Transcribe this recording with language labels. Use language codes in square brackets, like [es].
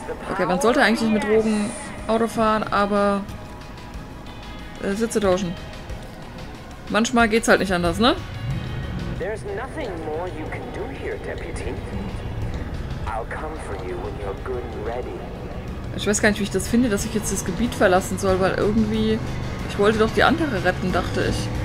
[de] Okay, man sollte eigentlich nicht mit Drogen Auto fahren, aber Sitze tauschen. Manchmal geht's halt nicht anders, ne? [en] There's nothing more you can do here, Deputy. I'll come for you when you're good and ready. [de] Ich weiß gar nicht, wie ich das finde, dass ich jetzt das Gebiet verlassen soll, weil irgendwie... Ich wollte doch die andere retten, dachte ich.